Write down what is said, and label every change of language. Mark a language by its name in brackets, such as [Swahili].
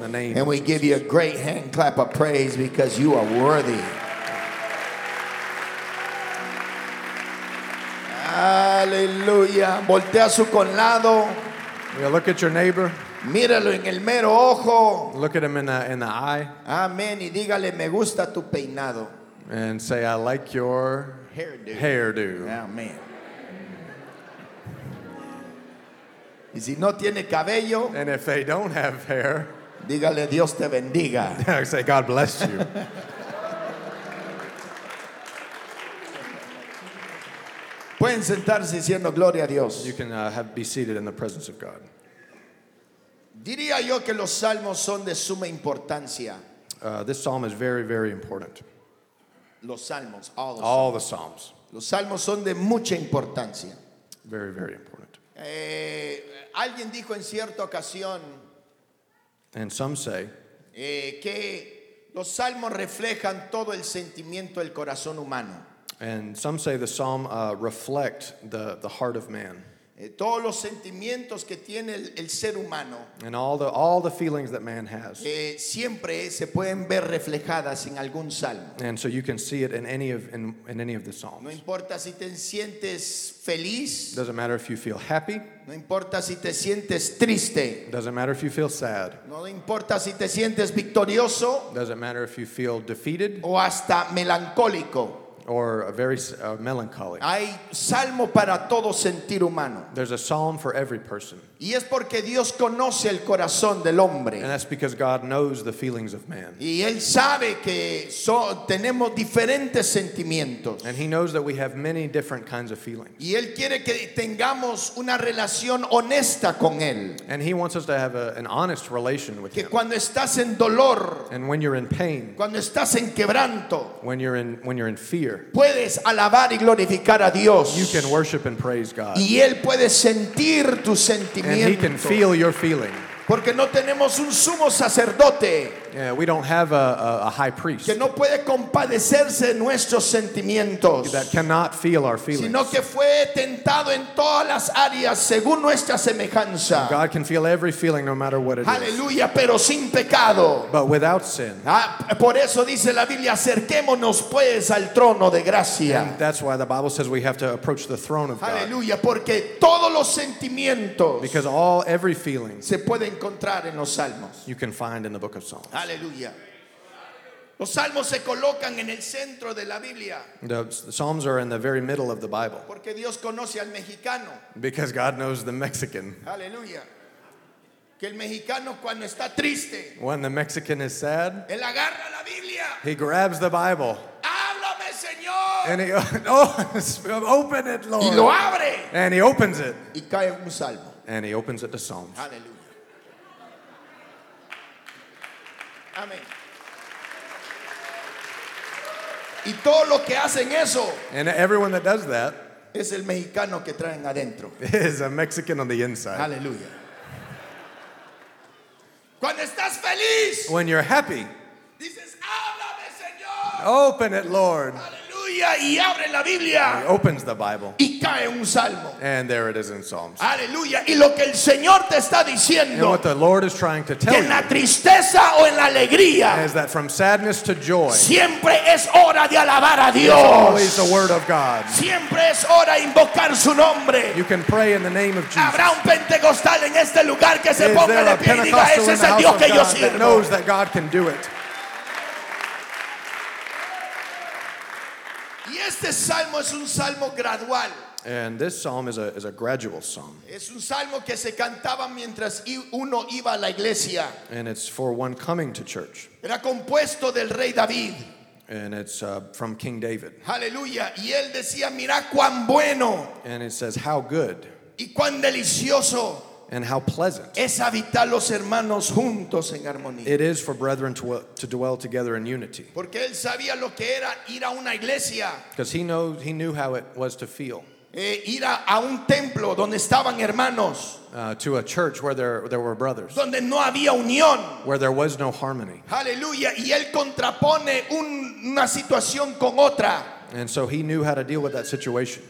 [English] And we give you a great hand clap of praise because you are worthy. [Spanish] Aleluya. Voltea a su conlado. [English] Look at your neighbor. [Spanish] Míralo en el mero ojo. [English] Look at him in the eye. [Spanish] Amén. Y dígale, me gusta tu peinado. [English] And say, I like your hairdo. [Spanish] Amén. Y si no tiene cabello, [English] and if they don't have hair, [Spanish] dígale Dios te bendiga. [English] Say God bless you. [Spanish] Pueden sentarse diciendo gloria a Dios. [English] You can be seated in the presence of God. [Spanish] Diría yo que los salmos son de suma importancia. [English] This psalm is very, very important. [Spanish] Los salmos, [English] all the psalms. All the psalms. [Spanish] Los salmos son de mucha importancia. [English] Very, very important. [Spanish] Alguien dijo en cierta ocasión, [English] and some say, [Spanish] que los salmos reflejan todo el sentimiento del corazón humano. [English] And some say the psalm reflect the heart of man. [Spanish] Todos los sentimientos que tiene el ser humano. [English] And all the feelings that man has. [Spanish] Siempre se pueden ver reflejadas en algún salmo. [English] And so you can see it in any of the psalms. [Spanish] No importa si te sientes feliz. [English] Doesn't matter if you feel happy. [Spanish] No importa si te sientes triste. [English] Doesn't matter if you feel sad. [Spanish] No importa si te sientes victorioso. [English] Doesn't matter if you feel defeated. [Spanish] O hasta melancólico. [English] or a very melancholy. [Spanish] Hay salmo para todo sentir humano. [English] There's a psalm for every person. [Spanish] Y es porque Dios conoce el corazón del hombre. [English] And that's because God knows the feelings of man. [Spanish] Y él sabe que tenemos diferentes sentimientos. [English] And he knows that we have many different kinds of feelings. [Spanish] Y él quiere que tengamos una relación honesta con él. [English] And he wants us to have an honest relation with [Spanish] que [English] him. [Spanish] Que cuando estás en dolor, [English] and when you're in pain, [Spanish] cuando estás en quebranto, [English] when you're in fear, [Spanish] puedes alabar y glorificar a Dios. [English] You can worship and praise God. [Spanish] Y él puede sentir tu sentimiento. [English] And he can feel your feeling. [Spanish] Porque no tenemos un sumo sacerdote. [English] Yeah, we don't have a high priest [Spanish] que no puede compadecerse de nuestros sentimientos, [English] that cannot feel our feelings, [Spanish] sino que fue tentado en todas las áreas según nuestra semejanza. [English] God can feel every feeling no matter what it Hallelujah, is. [Spanish] Pero sin pecado. [English] But without sin. [Spanish] Por eso dice la Biblia, acerquémonos pues al trono de gracia. [English] And that's why the Bible says we have to approach the throne of Hallelujah, God. [Spanish] Hallelujah, porque todos los sentimientos, [English] because all every feeling, [Spanish] se puede encontrar en los salmos. [English] You can find in the book of Psalms. [Spanish] Aleluya. Los salmos se colocan en el centro de la Biblia. [English] The Psalms are in the very middle of the Bible. [Spanish] Porque Dios conoce al mexicano. [English] Because God knows the Mexican. [Spanish] Aleluya. Que el mexicano cuando está triste, [English] when the Mexican is sad, [Spanish] él agarra la Biblia. [English] He grabs the Bible. [Spanish] Háblame, Señor. [English] And he goes, oh, open it, Lord. [Spanish] Y lo abre. [English] And he opens it. [Spanish] Y cae un salmo. [English] And he opens it to Psalms. [Spanish] Aleluya. Amén. Y todo lo que hacen eso, [English] and everyone that does that, [Spanish] es el mexicano que traen adentro. [English] Is a Mexican on the inside. [Spanish] Aleluya. Cuando estás feliz, [English] when you're happy, [Spanish] dices, háblame, Señor. [English] Open it, Lord. [Spanish] Aleluya, y abre la Biblia. [English] He opens the Bible. [Spanish] Y cae un salmo. [English] And there it is in Psalms. [Spanish] Aleluya, y lo que el Señor te está diciendo. [English] And what the Lord is trying to tell [Spanish] you. En la tristeza o en la alegría. [English] Is that from sadness to joy. [Spanish] Siempre es hora de alabar a Dios. [English] It's always the word of God. [Spanish] Siempre es hora de invocar su nombre. [English] You can pray in the name of Jesus. [Spanish] Habrá un pentecostal en este lugar que se ponga de pie y diga, ese es el Dios que yo sirvo. [English] That knows that God can do it. [Spanish] Este salmo es un salmo gradual. [English] And this psalm is a gradual psalm. [Spanish] Es un salmo que se cantaba mientras uno iba a la iglesia. [English] And it's for one coming to church. [Spanish] Era compuesto del rey David. [English] And it's from King David. [Spanish] Hallelujah. Y él decía, mira cuán bueno. [English] And it says, how good. [Spanish] Y cuán delicioso. [English] And how pleasant. [Spanish] Es habitar los hermanos juntos en armonía. [English] It is for brethren to dwell together in unity. [Spanish] Porque él sabía lo que era ir a una iglesia. [English] Because he knew how it was to feel. [Spanish] Ir a un templo donde estaban hermanos. [English] To a church where there were brothers. [Spanish] Donde no había unión. [English] Where there was no harmony. [Spanish] Aleluya. Y él contrapone una situación con otra. [English] And so he knew how to deal with that situation.